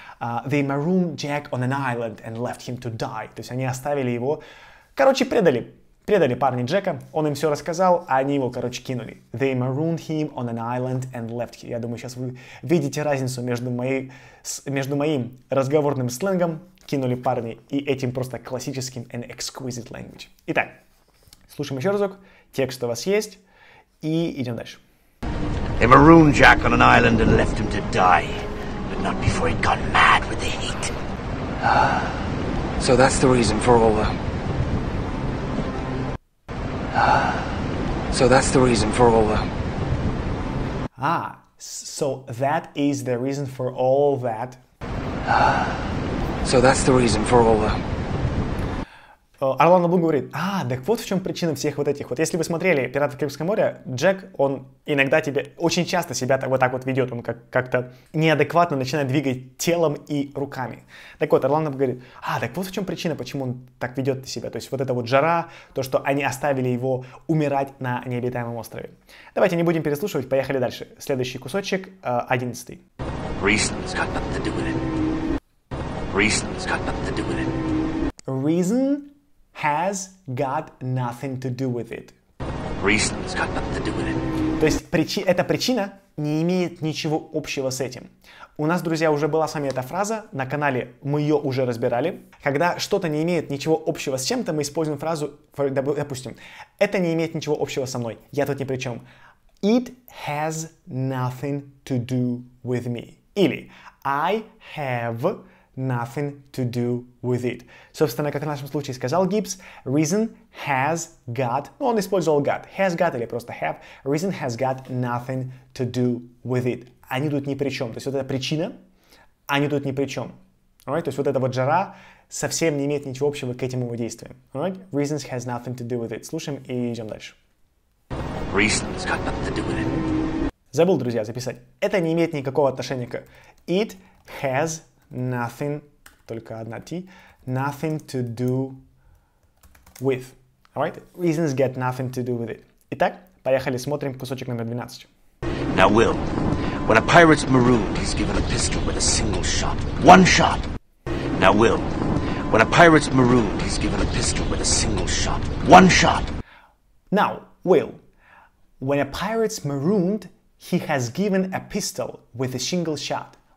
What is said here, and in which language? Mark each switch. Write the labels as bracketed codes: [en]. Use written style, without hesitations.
[en] They marooned Jack on an island and left him to die. [ru] То есть они оставили его, короче, предали. Предали парня Джека, он им все рассказал, а они его, короче, кинули. [en] They marooned him on an island and left him. [ru] Я думаю, сейчас вы видите разницу между моим разговорным сленгом, кинули парни, и этим просто классическим [en] and exquisite language. [ru] Итак, слушаем еще разок, текст у вас есть, и идем дальше. [en] They marooned Jack on an island and left him to die, but not before he'd gone mad with the heat. So that's the reason for all the... So that's the reason for all the... Ah, So that is the reason for all that. So that's the reason for all that. [ru] Орландо Блум говорит, а, так вот в чем причина всех вот этих. Вот если вы смотрели «Пираты Карибского моря», Джек, он иногда тебе очень часто себя так, вот так вот ведет, он как-то неадекватно начинает двигать телом и руками. Так вот, Орландо говорит, а, так вот в чем причина, почему он так ведет себя. То есть вот эта вот жара, то, что они оставили его умирать на необитаемом острове. Давайте не будем переслушивать, поехали дальше. Следующий кусочек, 11-й. [en] Reason's got nothing to do with it. Reason's got nothing to do with it. Reason has got nothing to do with it. Reason's got nothing to do with it. [ru] То есть эта причина не имеет ничего общего с этим. У нас, друзья, уже была с вами эта фраза на канале, мы ее уже разбирали. Когда что-то не имеет ничего общего с чем-то, мы используем фразу, допустим, это не имеет ничего общего со мной, я тут ни при чем. [en] It has nothing to do with me. [ru] Или [en] I have nothing to do with it. [ru] Собственно, как в нашем случае сказал Гибс, [en] reason has got, [ru] ну он использовал [en] got, has got [ru] или просто [en] have, reason has got nothing to do with it. [ru] Они тут ни при чем. То есть вот эта причина, они тут ни при чем. [en] Alright? [ru] То есть вот эта вот жара совсем не имеет ничего общего к этим его действиям. [en] Alright? Reason has nothing to do with it. [ru] Слушаем и идем дальше. [en] Reason's got nothing to do with it. [ru] Забыл, друзья, записать. Это не имеет никакого отношения к [en] it has nothing, [ru] только одна T, [en] nothing to do with. [ru] Alright? [en] Reasons get nothing to do with it. [ru] Итак, поехали, смотрим кусочек номер 12. [en] Now Will, when a pirate's marooned, he's given a pistol with a single shot. One shot! Now Will, when a pirate's marooned, he's given a pistol with a single shot. One shot! Now Will, when a pirate's marooned, he has given a pistol with a single shot.